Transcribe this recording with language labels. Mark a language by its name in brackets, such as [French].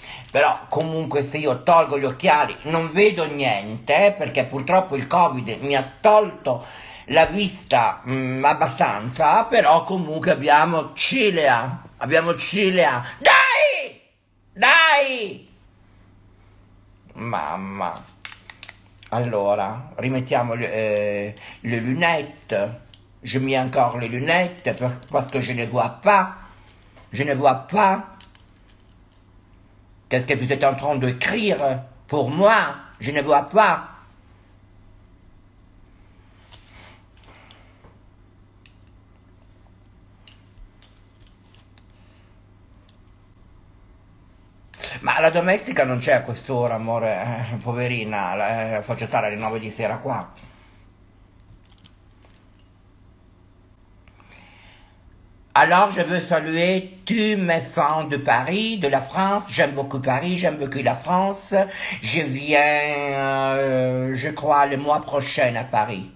[Italian] Però comunque se io tolgo gli occhiali non vedo niente, perché purtroppo il Covid mi ha tolto la vista abbastanza, però comunque abbiamo cilea! Abbiamo cilea! Dai! Dai! Mamma! Allora, rimettiamo le lunette. [French] Je mets encore le lunette parce que je ne vois pas. Je ne vois pas. Qu'est-ce que vous êtes en train de crier pour moi? Je ne vois pas. [Italian] Ma la domestica non c'è a quest'ora, amore, poverina, faccio stare alle 9 di sera qua. [French] Alors je veux saluer tous mes fans de Paris, de la France. J'aime beaucoup Paris, j'aime beaucoup la France. Je viens, je crois, le mois prochain à Paris.